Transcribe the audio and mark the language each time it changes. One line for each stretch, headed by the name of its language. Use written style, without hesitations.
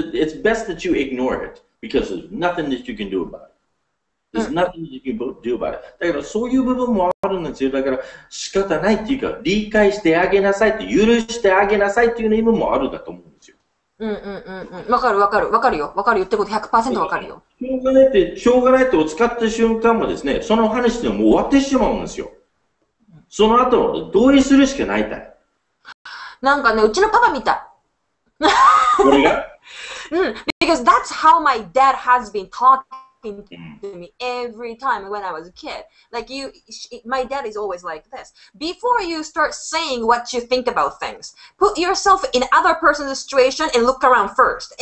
English: It's best that you ignore it because there's nothing that you can do about it. There's nothing that you can do about it.
Japanese: だからそういう部分もあるんですよ。だから仕方ないっていうか理解してあげなさいって許してあげなさいっていう意味もあるだと思うんですよ。うん。わかるわかるわかるよ。わかる言ってること 100% わかるよ。しょうがないって、しょうがないってを使った瞬間もですね、その話でもう終わってしまうんですよ。その後、同意するしかないたい。なんかね、うちのパパ見た。これがうん。
English: Because that's how my dad has been talking to me every time when I was a kid. Like you, my dad is always like this. Before you start saying what you think about things, put yourself in other person's situation and look around first.